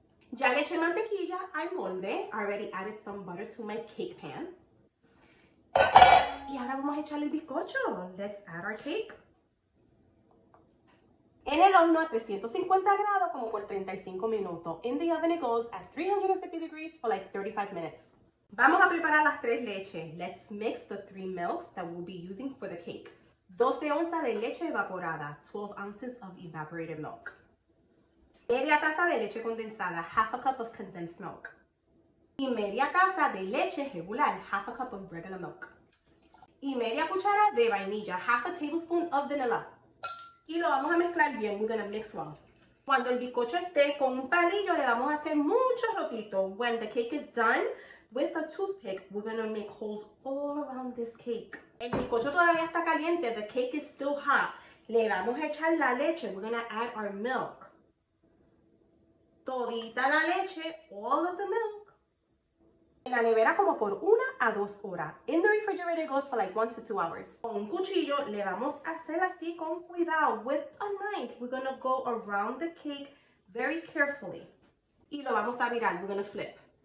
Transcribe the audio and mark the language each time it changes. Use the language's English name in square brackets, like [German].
[Spanish] Ya le eché mantequilla al molde. [English] I already added some butter to my cake pan. [Spanish] Y ahora vamos a echarle el bizcocho. [English] Let's add our cake. [Spanish] En el horno a 350 grados como por 35 minutos. [English] In the oven it goes at 350 degrees for like 35 minutes. [Spanish] Vamos a preparar las tres leches. [English] Let's mix the three milks that we'll be using for the cake. [Spanish] 12 onzas de leche evaporada, [English] 12 ounces of evaporated milk. [Spanish] Media taza de leche condensada, [English] half a cup of condensed milk. [Spanish] Y media taza de leche regular, [English] half a cup of regular milk. [Spanish] Y media cuchara de vainilla, [English] half a tablespoon of vanilla. [Spanish] Y lo vamos a mezclar bien, [English] we're gonna mix well. [Spanish] Cuando el bizcocho esté con un palillo, le vamos a hacer muchos rotitos. [English] When the cake is done, with a toothpick, we're gonna make holes all around this cake. [Spanish] El bizcocho todavía está caliente, [English] the cake is still hot. [Spanish] Le vamos a echar la leche, [English] we're gonna add our milk. [Spanish] Todita la leche, [English] all of the milk. [Spanish] En la nevera como por una a dos horas. [English] In the refrigerator it goes for like 1 to 2 hours. [Spanish] Con un cuchillo le vamos a hacer así con cuidado. [English] With a knife, we're gonna go around the cake very carefully. [Spanish] Y lo vamos a virar, [English] we're gonna flip.